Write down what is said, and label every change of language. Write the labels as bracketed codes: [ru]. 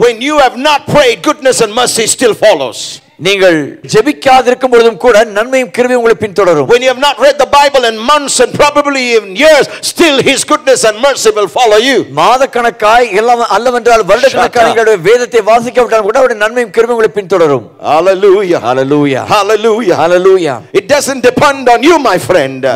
[en] When you have not prayed, goodness and mercy still follows. [ta] நீங்கள் ஜெபிக்காதிருக்கும் பொழுதும் கூட நன்மையும் கிருபையும் உங்களை பின்தொடரும். [en] When you have not read the Bible in months and probably even years, still his goodness and mercy will follow you. [ta] மாதக்கணக்காய் எல்லாம் அல்லவென்றால் வருடக்கணக்காய் நீங்கள் வேதத்தை வாசிக்கவிட்டால் கூட அவருடைய நன்மையும் கிருபையும் உங்களை பின்தொடரும். [en] Hallelujah, hallelujah, hallelujah, hallelujah. It doesn't depend on you, my friend.